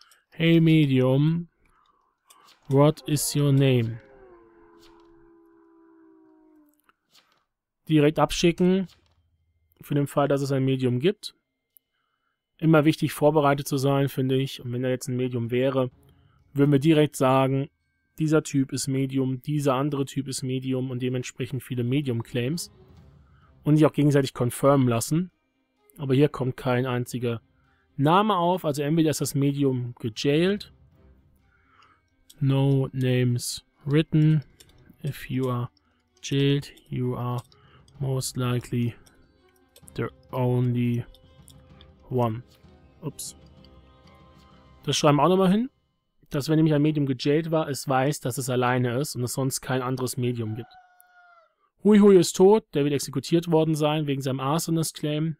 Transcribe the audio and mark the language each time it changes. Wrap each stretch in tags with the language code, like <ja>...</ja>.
<en>Hey Medium, what is your name?</en> <de>Direkt abschicken, für den Fall, dass es ein Medium gibt. Immer wichtig, vorbereitet zu sein, finde ich. Und wenn da jetzt ein Medium wäre, würden wir direkt sagen, dieser Typ ist Medium, dieser andere Typ ist Medium und dementsprechend viele Medium-Claims. Und sich auch gegenseitig confirmen lassen. Aber hier kommt kein einziger Name auf. Also entweder ist das Medium gejailed.</de> <en>No names written. If you are jailed, you are... most likely the only one.</en> <de>Ups. Das schreiben wir auch nochmal hin. dass wenn nämlich ein Medium gejailt war, es weiß, dass es alleine ist und es sonst kein anderes Medium gibt. Hui Hui ist tot, der wird exekutiert worden sein wegen seinem Arsonist-Claim.</de>